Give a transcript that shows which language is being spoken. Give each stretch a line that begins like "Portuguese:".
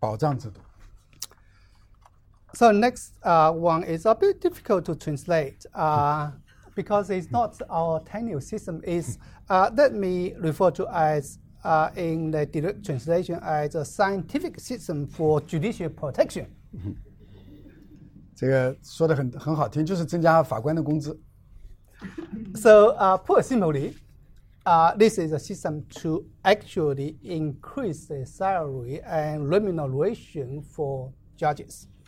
Chinese: 对，还有一个改变呢，就是保障制度。
English: So next one is a bit difficult to translate because it's not our tenure system. Is let me refer to as in the direct translation as a scientific system for judicial protection.
Chinese: 这个说得很好听，就是增加法官的工资。
English: So put simply, this is a system to actually increase the salary and remuneration for judges.